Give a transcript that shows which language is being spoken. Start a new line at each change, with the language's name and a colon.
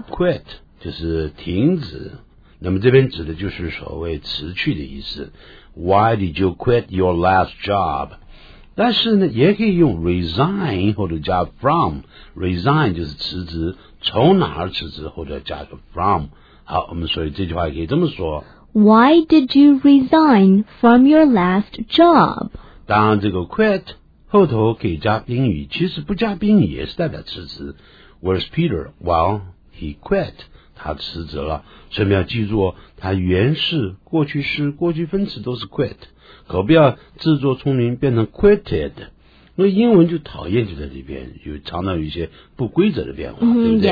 Chinese: Quit 就是停止，那么这边指的就是所谓辞去的意思。
English: Why did you quit your last job?
Chinese: 但是呢，也可以用 resign 或者加 from。 Resign 就是辞职，从哪儿辞职或者加个 from。好，我们所以这句话也可以这么说。
English: Why did you resign from your last job?
Chinese: 当这个 quit。后头可以加宾语，其实不加宾语也是代表辞职。
English: Where's Peter? Well, he quit.
Chinese: 他辞职了。所以我们要记住，他原式、过去式、过去分词都是 quit。可不要自作聪明变成 quitted。那英文就讨厌就在这边，有常常有一些不规则的变化，对不对？